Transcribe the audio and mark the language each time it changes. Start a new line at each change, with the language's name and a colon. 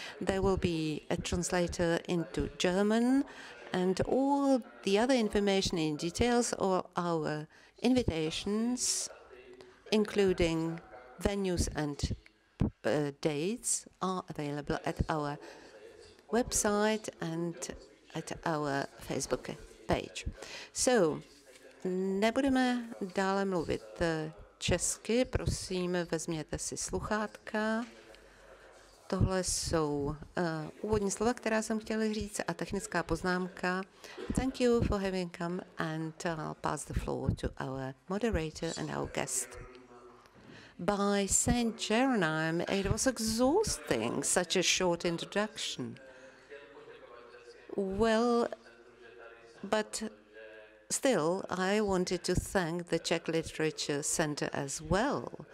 English: There will be a translator into German, and all the other information in details, all our invitations, including venues and dates, are available at our website and at our Facebook page.
Czech: So, nebudeme dále mluvit česky, prosím, vezměte si sluchátka. Tohle jsou úvodní slova, která jsem chtěla říct, a technická poznámka.
English: Thank you for having come, and I'll pass the floor to our moderator and our guest. By Saint Jeronime, it was exhausting, such a short introduction. Well, but still, I wanted to thank the Czech Literature Center as well.